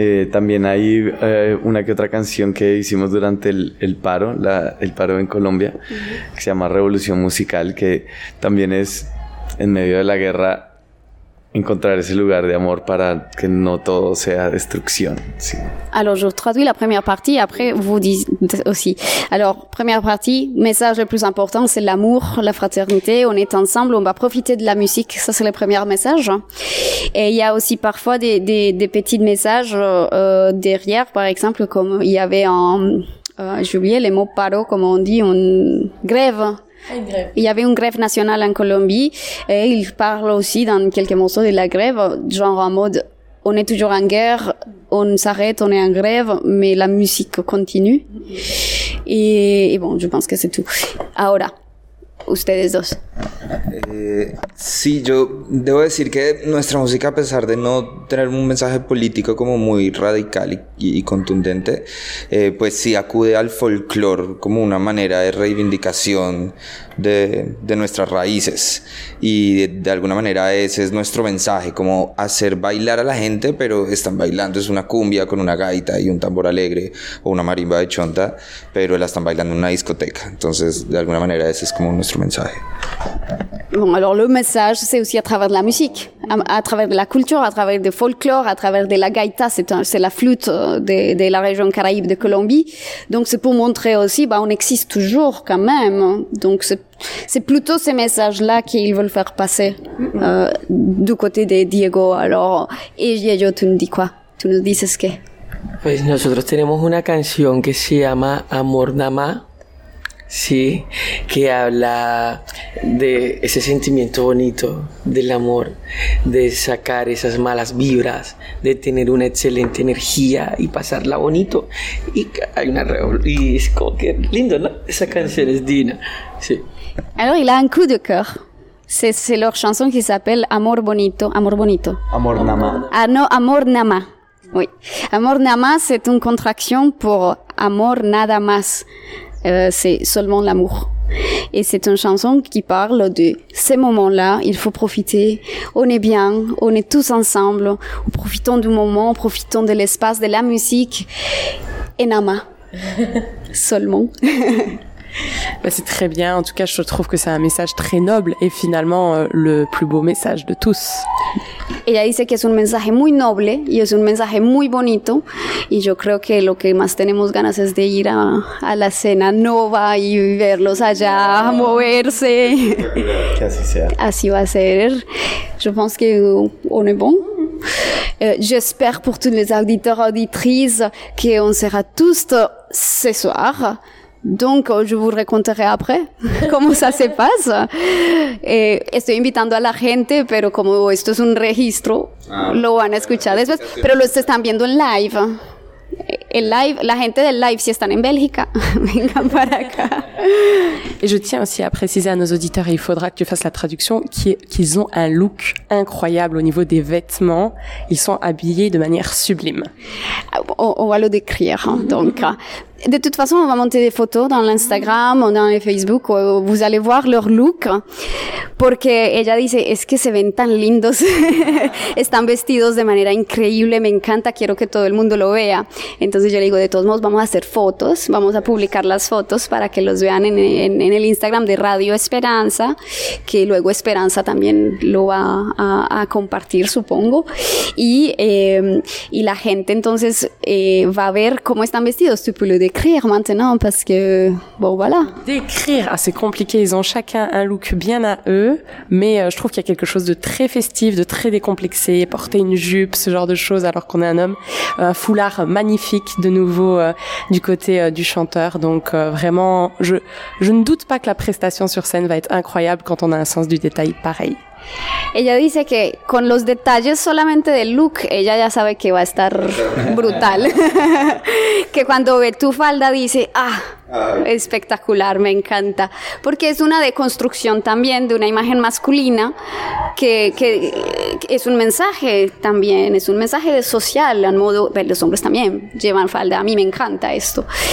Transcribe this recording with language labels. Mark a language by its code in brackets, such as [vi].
[es] También hay una que otra canción que hicimos durante el paro en Colombia, que se llama Revolución Musical, que también es, en medio de la guerra, encontrar ese lugar de amor para que no todo sea destrucción. Sí. [fr] Alors, je traduis la première partie, après vous dites aussi. Alors, première partie, message le plus important, c'est l'amour, la fraternité, on est ensemble, on va profiter de la musique, ça c'est le premier message. Et il y a aussi parfois des petits messages derrière, par exemple, comme il y avait j'ai oublié le mot paro, comme on dit, une grève. Il y avait une grève nationale en Colombie, et il parle aussi dans quelques morceaux de la grève, genre en mode, on est toujours en guerre, on s'arrête, on est en grève, mais la musique continue. Et bon, je pense que c'est tout. [es] Ahora, ustedes dos. Sí, yo debo decir que nuestra música, a pesar de no tener un mensaje político como muy radical y contundente, pues sí acude al folclore como una manera de reivindicación de nuestras raíces. Y de alguna manera ese es nuestro mensaje, como hacer bailar a la gente, pero están bailando, es una cumbia con una gaita y un tambor alegre o una marimba de chonta, pero la están bailando en una discoteca. Entonces, de alguna manera ese es como nuestro mensaje. [fr] Bon, alors le message, c'est aussi à travers de la musique, à travers de la culture, à travers du folklore, à travers de la gaita, c'est la flûte de la région Caraïbe de Colombie. Donc c'est pour montrer aussi, bah, on existe toujours quand même. Donc c'est plutôt ces messages-là qu'ils veulent faire passer du côté de Diego. Alors, et Diego, tu nous dis quoi? Tu nous dis ce que? [es] Pues nosotros tenemos una canción que se llama Amor Nada Más. Sí, que habla de ese sentimiento bonito del amor, de sacar esas malas vibras, de tener una excelente energía y pasarla bonito. Y hay una y es como que lindo, ¿no? Esa canción es divina. Sí. [fr] Alors il a un coup de cœur. C'est leur chanson qui s'appelle Amor Bonito, Amor Bonito. Amor Nama. Ah no, Amor Nama. Oui. Amor Nama, c'est une contraction pour amor nada más. C'est seulement l'amour. Et c'est une chanson qui parle de ces moments-là, il faut profiter, on est bien, on est tous ensemble, profitons du moment, profitons de l'espace, de la musique, et nama, seulement. Bah, c'est très bien, en tout cas je trouve que c'est un message très noble et finalement le plus beau message de tous. [es] Ella dice que es un mensaje muy noble y es un mensaje muy bonito y yo creo que lo que más tenemos ganas es de ir a la cena nova y verlos allá, a moverse. Que así sea. Así va a ser. [fr] Je pense que on est bon. J'espère pour tous les auditeurs, auditrices, que on sera tous ce soir. Donc, je vous raconterai après comment ça se passe. [es] Estoy invitando a la gente, pero como esto es un registro, lo van a escuchar después. Pero los están viendo en live. El live, la gente del live, si están en Bélgica, vengan para acá. [fr] Et je tiens aussi à préciser à nos auditeurs, et il faudra que tu fasses la traduction, qu'ils ont un look incroyable au niveau des vêtements. Ils sont habillés de manière sublime. On va le décrire, donc... De toute façon, on va monter des photos dans l'Instagram, dans le Facebook, où vous allez voir leur look. [es] Porque ella dice, es que se ven tan lindos. Están vestidos de manera increíble, me encanta, quiero que todo el mundo lo vea. Entonces yo le digo, de todos modos, vamos a hacer fotos, vamos a publicar las fotos para que los vean en el Instagram de Radio Esperanza, que luego Esperanza también lo va a compartir, supongo. Y la gente entonces va a ver cómo están vestidos. Tú puedes [fr] décrire maintenant parce que bon voilà. Décrire, ah, c'est compliqué, ils ont chacun un look bien à eux, mais je trouve qu'il y a quelque chose de très festif, de très décomplexé, porter une jupe, ce genre de choses alors qu'on est un homme, un foulard magnifique de nouveau du côté du chanteur, donc vraiment je ne doute pas que la prestation sur scène va être incroyable quand on a un sens du détail pareil. [es] Ella dice que con los detalles solamente del look, ella ya sabe que va a estar brutal. Que cuando ve tu falda dice, ah, espectacular, me encanta. Porque es una deconstrucción también de una imagen masculina que es un mensaje también, es un mensaje de social, al modo, los hombres también llevan falda, a mí me encanta esto.